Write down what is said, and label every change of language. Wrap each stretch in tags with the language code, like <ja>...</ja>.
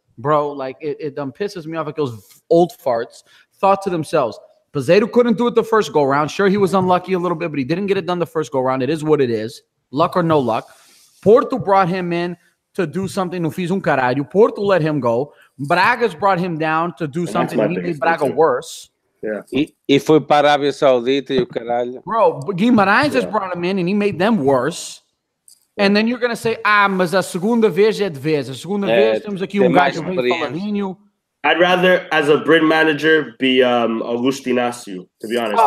<en>Bro, like it pisses me off. Like those old farts thought to themselves, Pizarro couldn't do it the first go round. Sure, he was unlucky a little bit, but he didn't get it done the first go round. It is what it is. Luck or no luck. Porto brought him in to do something.</en> <pt>No fiz caralho.</pt> <en>Porto let him go. Braga's brought him down to do something. He made Braga worse. Yeah.</en> <pt>E foi para a Arábia Saudita e o caralho.</pt> <en>Bro, Guimarães just brought him in and he made them worse. And then you're going to say,</en> <pt>mas a segunda vez é de vez. A segunda vez temos aqui um gajo bem falarinho.</pt> <en>I'd rather, as a Brit manager, be Augusto Inácio, to be honest.</en>